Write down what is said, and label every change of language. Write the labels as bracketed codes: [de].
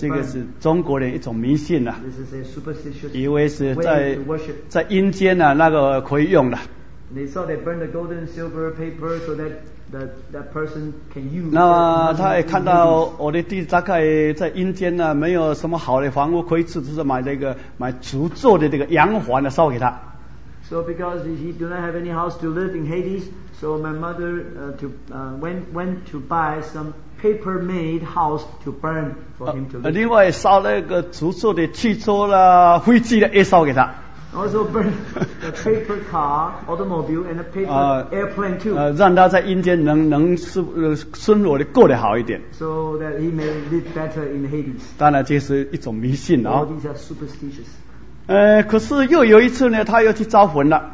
[zh] 这个是中国人一种迷信呐、啊。 [en] This is a superstitious. [zh] 以为是在阴间呐、啊，那个可以用的。 [en] They thought they burned the golden silver paper so that. That person can use [zh] 那他也看到我的弟大概在阴间呢，没有什么好的房屋可以住，就是买足做的这个洋房呢烧给他。 [en] So because he do not have any house to live in Hades, so my mother went to buy some paper made house to burn for him to live. [zh] 另外烧那个足做的汽车啦、飞机的也烧给他。 [en] Also burn a paper car, automobile, and a paper airplane too. [zh] 让他在阴间能生活的过得好一点。 [en] So that he may live better in Hades. [zh] 当然这是一种迷信啊。 [en] All these are superstitious. [zh] 可是又有一次呢，他又去招魂了。